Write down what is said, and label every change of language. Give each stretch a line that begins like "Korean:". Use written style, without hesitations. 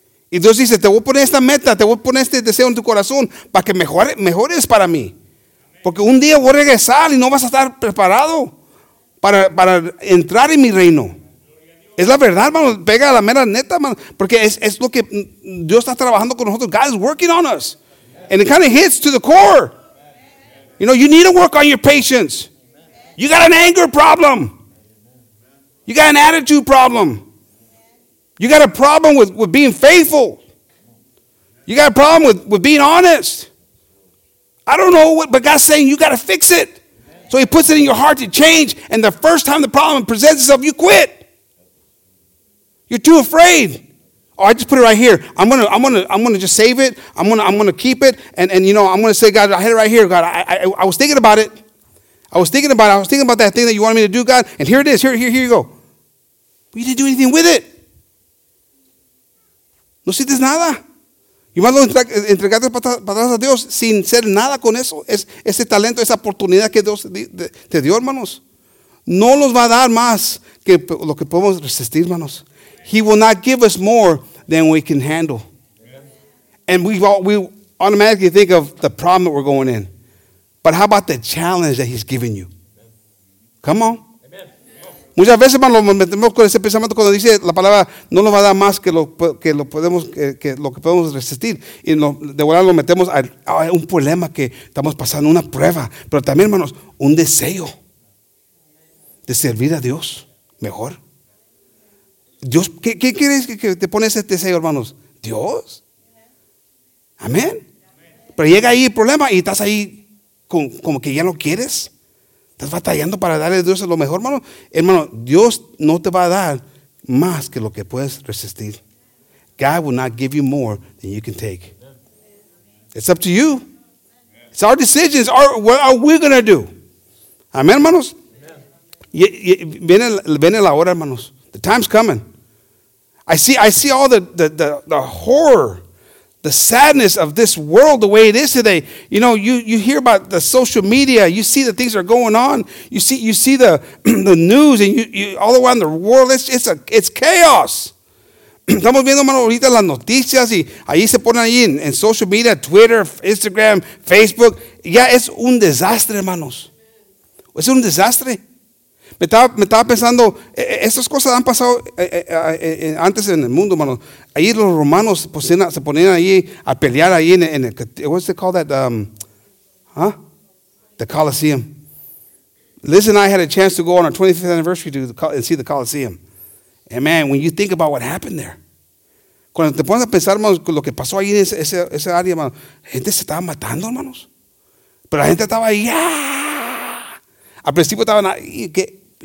Spanish: Y Dios dice, te voy a poner esta meta, te voy a poner este deseo en tu corazón para que mejores para mí. Porque un día voy a regresar y no vas a estar preparado para entrar en mi reino. Es la verdad, hermanos, pega la mera neta, hermanos. Porque es lo que Dios está trabajando con nosotros.
English: God is working on us. And it kind of hits to the core. You know, you need to work on your patience. You got an anger problem. You got an attitude problem. You got a problem with being faithful. You got a problem with being honest. I don't know, but God's saying you got to fix it. So he puts it in your heart to change. And the first time the problem presents itself, you quit. You're too afraid. Oh, I just put it right here. I'm gonna just save it. I'm gonna keep it. And you know, I'm going to say, God, I had it right here. God, I was thinking about it. I was thinking about that thing that you wanted me to do, God. And here it is. Here you go. But you didn't do anything with it.
Spanish: No sientes nada. Y más lo entregaste para atrás a Dios sin ser nada con eso. Ese talento, esa oportunidad que Dios te dio, hermanos. No nos va a dar más que lo que podemos resistir, hermanos.
English: He will not give us more than we can handle. And we automatically think of the problem that we're going in. But how about the challenge that he's giving you? Come on.
Spanish: Muchas veces, hermano, nos metemos con ese pensamiento cuando dice la palabra no nos va a dar más que lo que podemos resistir. Y de verdad lo metemos a un problema que estamos pasando, una prueba. Pero también, hermanos, un deseo de servir a Dios mejor. Dios, ¿qué quieres que te pone ese deseo, hermanos? Dios. Amén. Pero llega ahí el problema y estás ahí como que ya no quieres. Estás batallando para darle a Dios lo mejor, hermano. Hermano, Dios no te va a dar más que lo que puedes resistir.
English: God will not give you more than you can take. It's up to you. It's our decisions. What are we going to do?
Spanish: Amén, hermanos. Viene la hora, hermanos.
English: The time's coming. I see all the horror, the sadness of this world the way it is today. You know, you hear about the social media, you see the things that are going on, you see the the news, and you all around the world, it's chaos.
Spanish: Estamos viendo, hermano, ahorita las noticias y ahí se ponen ahí en social media, Twitter, Instagram, Facebook. Ya es un desastre, hermanos. Es un desastre. Me estaba pensando, esas cosas han pasado antes en el mundo, hermano. Ahí los romanos se ponían ahí a pelear ahí en el,
English: what's it called, that, the Colosseum. Liz and I had a chance to go on our 25th anniversary and see the Colosseum. And man, when you think about what happened there.
Spanish: Cuando te pones a pensar, hermanos, lo que pasó ahí en ese área, hermanos. Gente se estaba matando, hermanos. Pero la gente estaba ahí, ¡ah! Al principio estaban ahí, ¿qué?